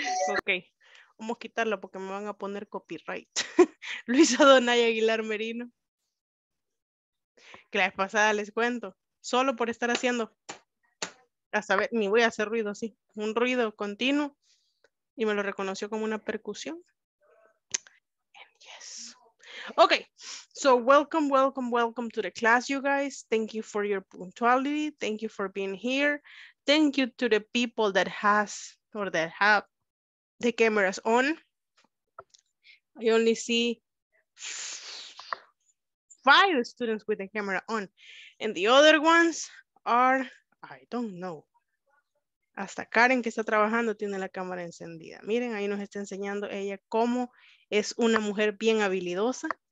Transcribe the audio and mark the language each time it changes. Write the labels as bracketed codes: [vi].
[es] Ok, vamos a quitarla porque me van a poner copyright. Luis Adonay Aguilar Merino. Que la vez pasada les cuento, solo por estar haciendo, a saber, ni voy a hacer ruido así, un ruido continuo, y me lo reconoció como una percusión. [en] And yes. Ok, so welcome, welcome, welcome to the class, you guys. Thank you for your punctuality. Thank you for being here. Thank you to the people that has or that have the cameras on. I only see 5 students with the camera on. And the other ones are, I don't know. [es] Hasta Karen, que está trabajando, tiene la cámara encendida. Miren, ahí nos está enseñando ella cómo es una mujer bien habilidosa.